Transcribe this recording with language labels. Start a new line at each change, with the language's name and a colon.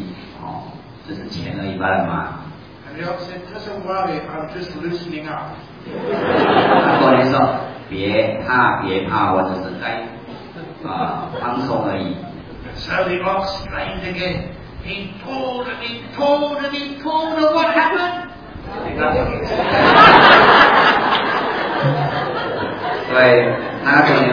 Chinese: 因为他的主人好好的跟他说，所以他那个牛就尽力的拉，你可以看到他蛮牛大汗，然后他结果就这样马车全部都紧绷了，努力的拉，不过呢，那牛是没有动。那个主人说啊，没关系，哦，只是钱而已罢了嘛。
English: And the ox said, "Doesn't worry, I'm just loosening up."
Chinese: 他说，别怕，我只是在放松而已。
English: So the ox strained again. He pulled and he pulled and he pulled, and what happened?